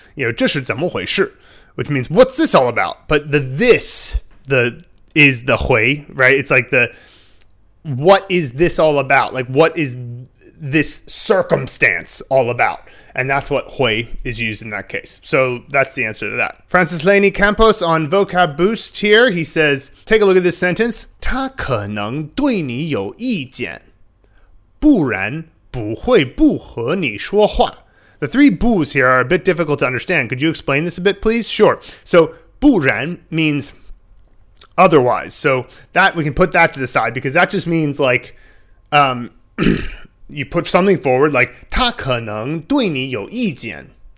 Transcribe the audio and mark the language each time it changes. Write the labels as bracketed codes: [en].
[en] You know, [zh] 这是怎么回事? [en] Which means, what's this all about? But the this is the 回, right? It's like what is this all about? Like, what is this circumstance all about? And that's what Hui is used in that case. So that's the answer to that. Francis Laney Campos on Vocab Boost here. He says, take a look at this sentence. [zh] 他可能对你有意见,不然不会不和你说话. [en] The three bus here are a bit difficult to understand. Could you explain this a bit, please? Sure. So 不然 means otherwise. So that we can put that to the side because that just means like you put something forward like [zh] 他可能对你有意见.